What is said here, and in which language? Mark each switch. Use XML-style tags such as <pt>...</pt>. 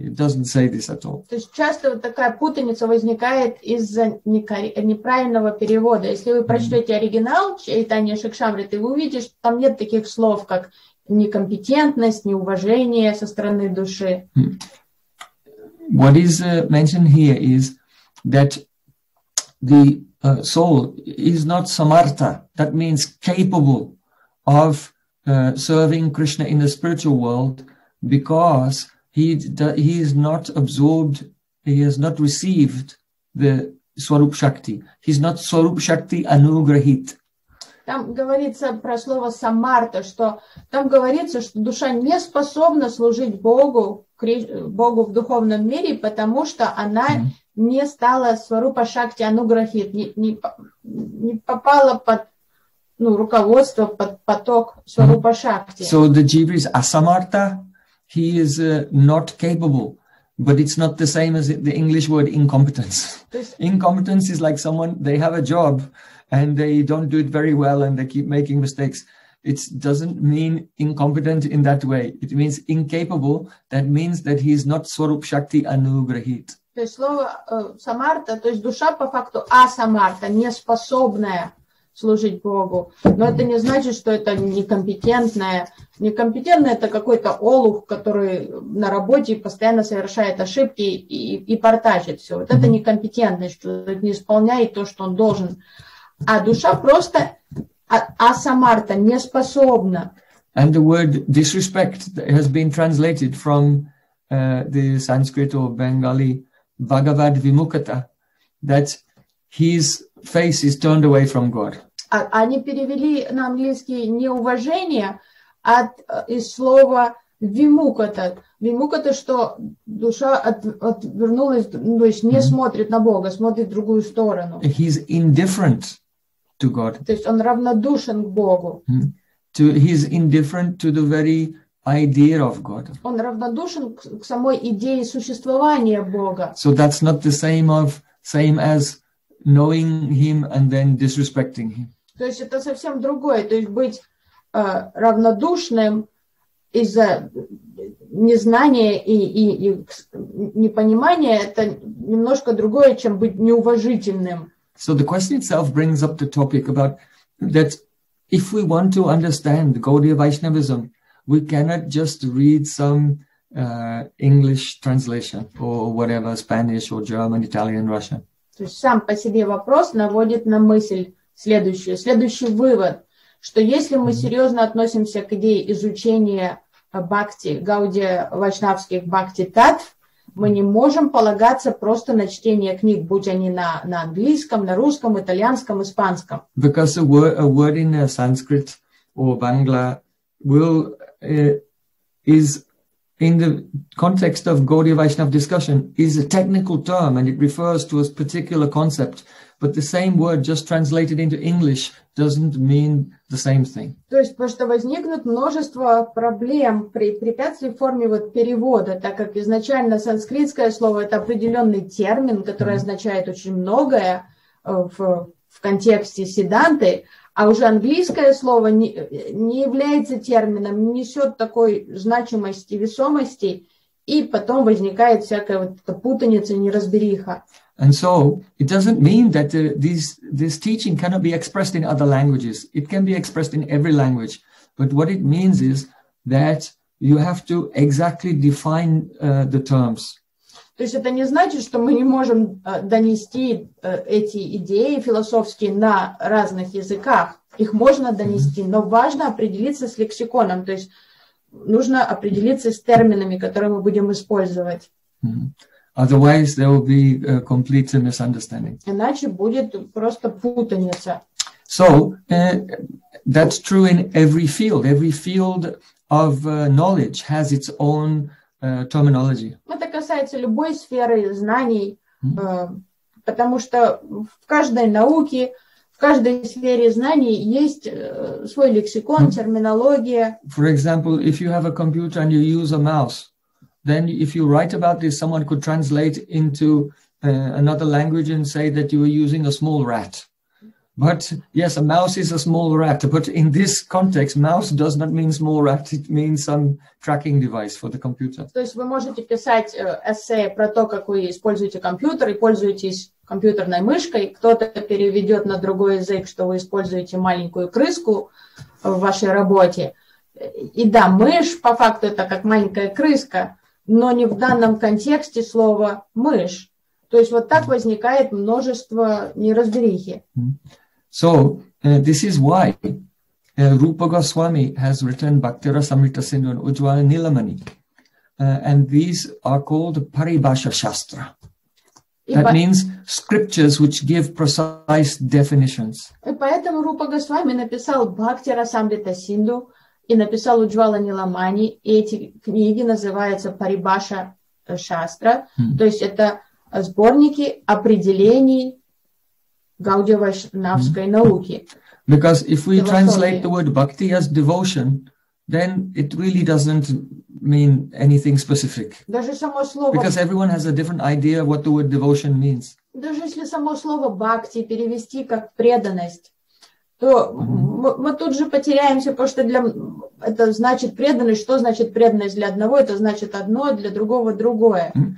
<en>It doesn't say this at all.</en> <ru>То есть часто вот такая путаница возникает из-за неправильного перевода. Если вы прочтете оригинал Чайтанья Шикшамриты, вы увидите, что там нет таких слов, как некомпетентность, неуважение со стороны души.</ru> <en>What is mentioned here is that the soul is not samartha, that means capable of serving Krishna in the spiritual world, because he is not absorbed, he has not received the Swarup Shakti. He's not Swarup Shakti Anugrahit.</en> <ru>Там говорится про слово самарта, что там говорится, что душа не способна служить Богу, Богу в духовном мире, потому что она не стала Сварупа Шакти Ануграхит, не попала под руководство, под поток Сварупа Шакти.</ru> <en>So the jiva is asamarta, he is not capable. But it's not the same as the English word incompetence. Incompetence is like someone, they have a job and they don't do it very well and they keep making mistakes. It doesn't mean incompetent in that way. It means incapable. That means that he is not Swarup Shakti Anugrahit.</en> <ru>То есть слово самарта, то есть душа по факту асамарта, неспособная служить Богу. Но это не значит, что это некомпетентное. Некомпетентное — это какой-то олух, который на работе постоянно совершает ошибки и портачит все. Вот это некомпетентность, что не исполняет то, что он должен. А душа просто асамарта, не способна.</ru> <en>And the word disrespect has been translated from the Sanskrit or Bengali Bhagavad Vimukata, that his face is turned away from God.</en> <ru>Они перевели на английский неуважение от из слова вимукота. Вимукота, что душа отвернулась, то есть не смотрит на Бога, смотрит в другую сторону.</ru> <en>He's indifferent to God.</en> <ru>То есть он равнодушен к Богу.</ru> <en>He's indifferent to the very idea of God.</en> <ru>Он равнодушен к самой идее существования Бога.</ru> <en>So that's not the same as knowing him and then disrespecting him.</en> <ru>То есть это совсем другое, то есть быть равнодушным из-за незнания и непонимания — это немножко другое, чем быть неуважительным.</ru> <en>So the question itself brings up the topic about that if we want to understand Gaudiya Vaishnavism, we cannot just read some English translation or whatever, Spanish or German, Italian, Russian.</en> <ru>То есть сам по себе вопрос наводит на мысль следующий вывод, что если мы серьезно относимся к идее изучения бхакти, гаудия вайшнавских бхакти татв, мы не можем полагаться просто на чтение книг, будь они на английском, на русском, итальянском, испанском.</ru> <en>Because a word in Sanskrit or Bangla is in the context of Gaudiya Vaishnava discussion is a technical term and it refers to a particular concept. But the same word just translated into English doesn't mean the same thing.</en> <ru>То есть, потому что возникнут множество проблем при препятствии в форме вот перевода, так как изначально санскритское слово — это определенный термин, который означает очень многое в контексте седанты, а уже английское слово не является термином, не несет такой значимости, весомости, и потом возникает всякая вот эта путаница, неразбериха.</ru> <en>And so it doesn't mean that this teaching cannot be expressed in other languages. It can be expressed in every language. But what it means is that you have to exactly define the terms.</en> <ru>То есть это не значит, что мы не можем донести эти идеи философские на разных языках. Их можно донести, но важно определиться с лексиконом. То есть нужно определиться с терминами, которые мы будем использовать.</ru> <en>Otherwise, there will be a complete misunderstanding.</en> <ru>Иначе будет просто путаница.</ru> <en>So, that's true in every field. Every field of knowledge has its own terminology.</en> <ru>Это касается любой сферы знаний, потому что в каждой науке, в каждой сфере знаний есть свой лексикон, терминология.</ru> <en>For example, if you have a computer and you use a mouse, then if you write about this, someone could translate into another language and say that you were using a small rat. But yes, a mouse is a small rat. But in this context, mouse does not mean small rat. It means some tracking device for the computer.</en> <ru>То есть вы можете писать эссе про то, как вы используете компьютер и пользуетесь компьютерной мышкой. Кто-то переведет на другой язык, что вы используете маленькую крыску в вашей работе. И да, мышь по факту это как маленькая крыска. Но не в данном контексте слово «мышь». То есть вот так возникает множество неразберихи.</ru> <en>So, this is why Rupa Goswami has written Bhaktira Samrita Sindhu and Ujjwala Nilamani. And these are called Paribhasha Shastra. That means scriptures which give precise definitions.</en> <ru>И поэтому Рупа Госвами написал Бхакти Расамрита Синду и написал Уджвала Ниламани, и эти книги называются Парибаша Шастра, то есть это сборники определений Гаудия Вайшнавской науки.</ru> <en>Because if we translate the word bhakti as devotion, then it really doesn't mean anything specific.</en> <ru>Даже само слово,</ru> <en>because everyone has a different idea of what the word devotion means.</en> <ru>Даже если само слово бхакти перевести как преданность, то мы тут же потеряемся, потому что для это значит преданность. Что значит преданность для одного? Это значит одно, для другого другое.</ru>